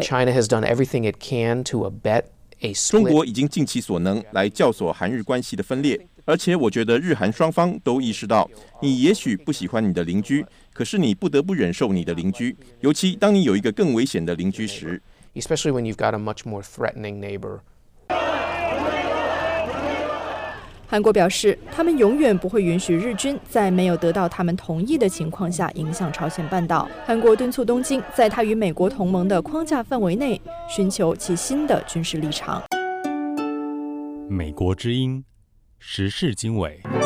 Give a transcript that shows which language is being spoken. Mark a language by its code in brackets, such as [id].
[en] China has done everything it can to abet a split. [zh] 中国已经尽其所能来教唆韩日关系的分裂，而且我觉得日韩双方都意识到，你也许不喜欢你的邻居，可是你不得不忍受你的邻居，尤其当你有一个更危险的邻居时。 [en] Especially when you've got a much more threatening neighbor. [zh] 韩国表示，他们永远不会允许日军在没有得到他们同意的情况下影响朝鲜半岛。韩国敦促东京在他与美国同盟的框架范围内寻求其新的军事立场。美国之音，时事经纬。